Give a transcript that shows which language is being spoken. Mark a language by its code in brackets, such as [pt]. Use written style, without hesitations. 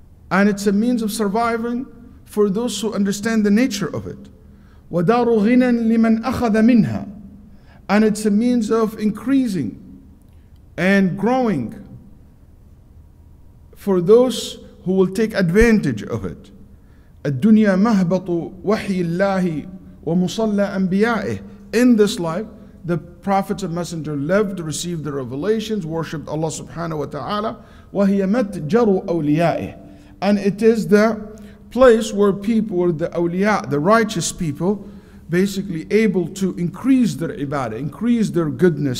[en] And it's a means of surviving for those who understand the nature of it. [ar] وَدَارُ غِنًا لِمَنْ أَخَذَ مِنْهَا. [en] And it's a means of increasing and growing for those who will take advantage of it. [ar] الدنيا مهبط وحي الله ومصلى أنبيائه. [en] In this life, the prophets and messengers lived, received the revelations, worshipped Allah [ar] subhanahu wa ta'ala. وهي متجر أوليائه. [en] And it is the place where people, where the awliya, the righteous people, basically able to increase their ibadah, increase their goodness.